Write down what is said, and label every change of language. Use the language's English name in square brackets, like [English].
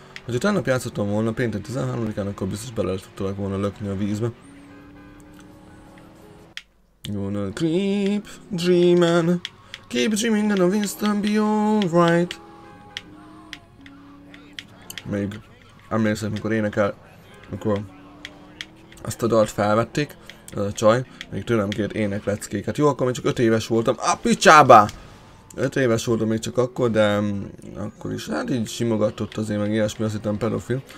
[Hungarian] Hogyha tegnap játszottam volna péntek 13-án, akkor biztos bele tudtak volna lökni a vízbe. [English] You wanna keep dreaming. Keep dreaming and the wind's gonna be alright. [Hungarian] Még emlékszem, amikor énekel, amikor azt a dalt felvették. A csaj, még tőlem kért énekleckéket. Jó, akkor még csak 5 éves voltam. A picsába! 5 éves voltam még csak akkor, de akkor is. Hát így simogatott azért, meg ilyesmi, azt hittem pedofil.